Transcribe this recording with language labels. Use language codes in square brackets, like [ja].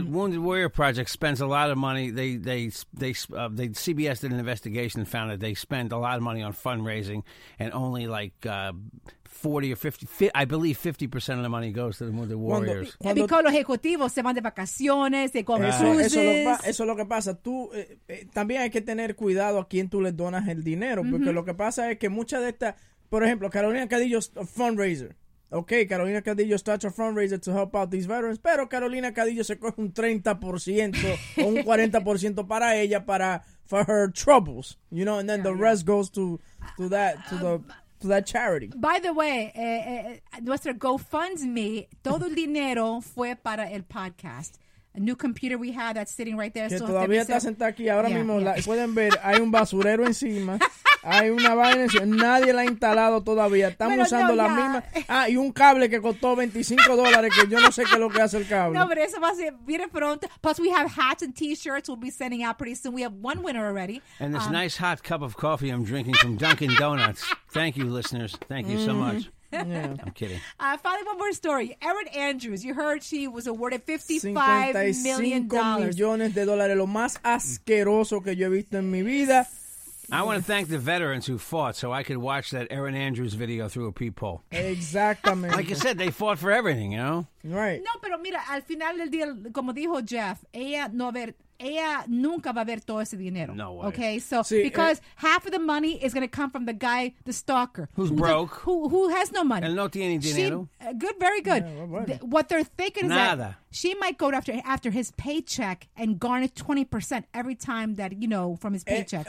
[en] Wounded Warrior Project spends a lot of money. CBS did an investigation and found that they spend a lot of money on fundraising and only 40 or 50, I believe 50% of the money goes to the Warriors. [es] Cuando, cuando, [en] because [es] los ejecutivos se van de vacaciones, se cogen cruces. Eso es lo que pasa. Tú, también hay que tener cuidado a quién tú le donas el dinero, mm-hmm. porque lo que pasa es que muchas de estas, por ejemplo, Carolina Cadillo fundraiser. [en] Okay, Carolina Cadillo starts a fundraiser to help out these veterans, [es] pero Carolina Cadillo se coge un 30% o un 40% para ella, para [en] for her troubles, you know, and then the rest goes to that, to the... to that charity. By the way, [es] nuestro GoFundMe, todo el dinero fue para el podcast. [en] A new computer we have that's sitting right there. [es] Que todavía está sentada aquí. Ahora mismo, pueden ver, hay un basurero encima. Hay una vaina encima. Nadie la ha instalado todavía. Estamos usando la misma. Ah, y un cable que costó $25, que yo no sé qué es lo que hace el cable. No, pero eso va a ser bien pronto. [en] Plus, we have hats and t-shirts we'll be sending out pretty soon. We have one winner already. And this nice hot cup of coffee I'm drinking from Dunkin' Donuts. Thank you, listeners. Thank you so much. Yeah. I'm kidding. Finally, one more story. Erin Andrews, you heard she was awarded $55 million. [es] Lo más asqueroso que yo he visto en mi vida. [en] I want to thank the veterans who fought so I could watch that Erin Andrews video through a peephole. [es] Exactamente. [en] Like you said, they fought for everything, you know? Right. [es] No, pero mira, al final del día, como dijo Jeff, ella nunca va a ver todo ese dinero. [en] No way. Okay, so see, because half of the money is going to come from the guy, the stalker. Who's broke. Who has no money. [es] El no tiene dinero. [en] She, good, very good. What they're thinking [es] nada. [en] Is that she might go after his paycheck and garner 20% every time that, you know, from his paycheck.